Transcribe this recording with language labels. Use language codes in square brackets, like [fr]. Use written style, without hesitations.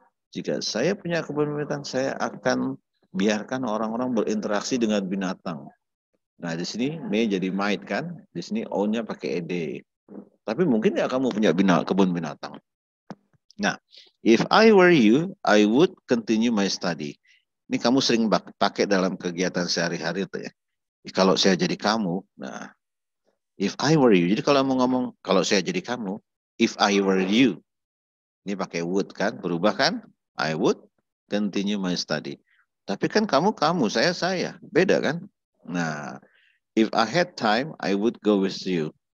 [id] Jika saya punya kebun binatang, saya akan biarkan orang-orang berinteraksi dengan binatang. Nah, di sini may jadi might kan? Di sini own-nya pakai ed. Tapi mungkin nggak kamu punya kebun binatang. [en] Nah, if I were you, I would continue my study. [id] Ini kamu sering pakai dalam kegiatan sehari-hari itu ya. Kalau saya jadi kamu, nah, [en] if I were you. [id] Jadi kalau mau ngomong, kalau saya jadi kamu, [en] if I were you. [id] Ini pakai would kan, berubah kan? [en] I would continue my study. [id] Tapi kan kamu, saya. Beda kan? [en] Nah, if I had time, I would go with you.